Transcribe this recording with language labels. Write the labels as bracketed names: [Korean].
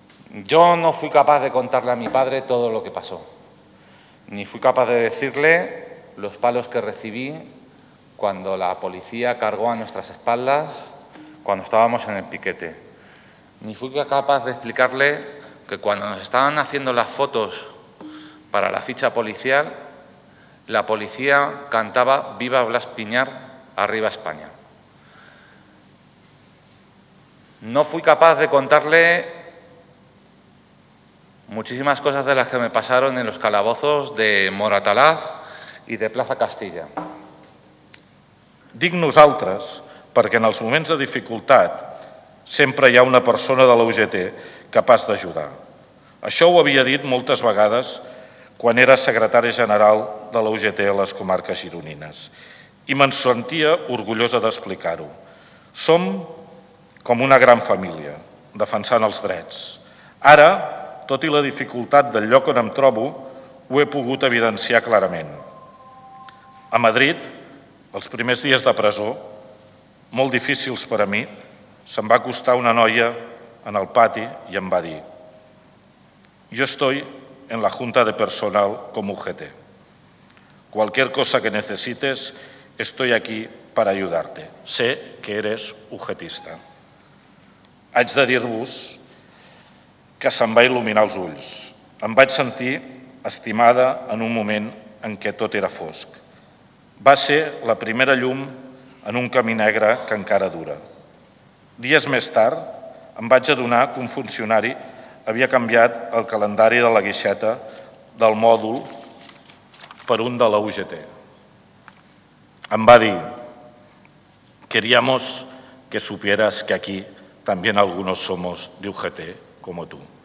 [Spanish] Yo no fui capaz de contarle a mi padre todo lo que pasó, ni fui capaz de decirle los palos que recibí cuando la policía cargó a nuestras espaldas cuando estábamos en el piquete, ni fui capaz de explicarle que cuando nos estaban haciendo las fotos para la ficha policial, la policía cantaba «Viva Blas Piñar, arriba España». No fui capaz de contarle muchísimas cosas de las que me pasaron en los calabozos de Moratalaz, [Catalan] i de Plaza Castilla. Dic nosaltres perquè en els moments de dificultat sempre hi ha una persona de la UGT capaç d'ajudar. Això ho havia dit moltes vegades quan era secretari general de la UGT a les comarques gironines i me'n sentia orgullosa d'explicar-ho. Som com una gran família, defensant els drets. Ara, tot i la dificultat del lloc on em trobo, ho he pogut evidenciar clarament. A Madrid, els primers dies de presó, molt difícils per a mi, se'm va acostar una noia en el pati i em va dir: [Spanish] "Yo estoy en la Junta de Personal como UGT. Cualquier cosa que necesites, estoy aquí para ayudarte. Sé que eres UGTista". [Catalan] Haig de dir-vos que se'm va il·luminar els ulls. Em vaig sentir estimada en un moment en què tot era fosc. Va ser la primera llum en un camí negre que encara dura. Dies més tard, em vaig adonar que un funcionari havia canviat el calendari de la guixeta del mòdul per un de la UGT. Em va dir: [Spanish] "Queríamos que supieras que aquí también algunos somos de UGT como tú".